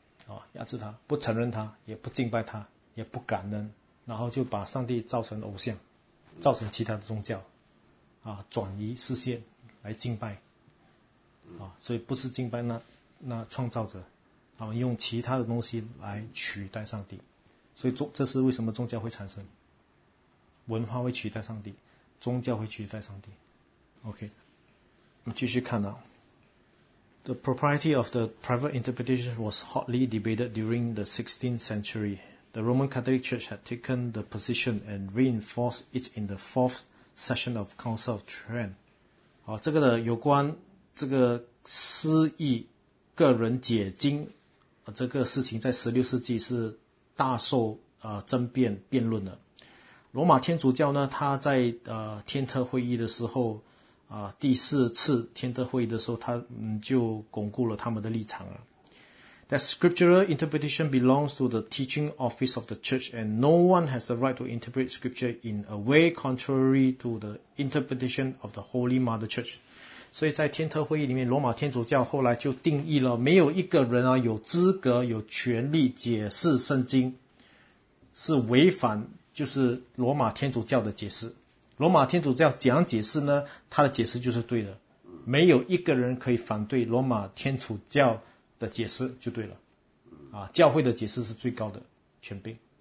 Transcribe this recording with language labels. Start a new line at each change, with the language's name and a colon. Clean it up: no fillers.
Chinese: 啊，压制他，不承认他，也不敬拜他，也不感恩，然后就把上帝造成偶像，造成其他的宗教，啊，转移视线来敬拜，啊，所以不是敬拜那创造者，啊，用其他的东西来取代上帝，所以这是为什么宗教会产生，文化会取代上帝，宗教会取代上帝。 OK， 我们继续看啊。
English: The propriety of the private interpretation was hotly debated during the 16th century. The Roman Catholic Church had taken the position and reinforced it in the fourth session of Council of Trent.
Chinese: 好，这个的有关这个私义个人解经这个事情，在16世纪是大受争辩辩论的。罗马天主教呢，他在天特会议的时候。第四次天特会议的时候，他就巩固了他们的立场啊。
English: That scriptural interpretation belongs to the teaching office of the church, and no one has the right to interpret scripture in a way contrary to the interpretation of the Holy Mother Church.
Chinese: 所以在天特会议里面，罗马天主教后来就定义了，没有一个人啊有资格、有权利解释圣经，是违反就是罗马天主教的解释。罗马天主教怎样解释呢？他的解释就是对的，没有一个人可以反对罗马天主教的解释就对了。啊，教会的解释是最高的权柄。